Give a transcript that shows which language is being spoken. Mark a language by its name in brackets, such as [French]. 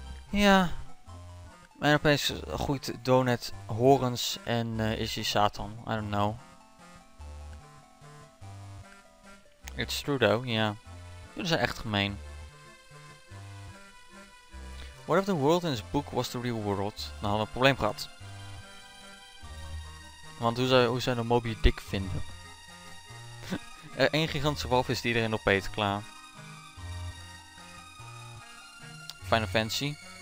[Dutch] Ja. En opeens groeit Donut horens en is hij Satan. [English] I don't know. It's true though, [Dutch] ja. Jullie zijn echt gemeen. [English] What if the world in this book was the real world? [Dutch] Dan hadden we een probleem gehad. Want hoe zou je de Moby Dick vinden? Eén gigantische walvis die iedereen opeet, klaar. Final Fantasy.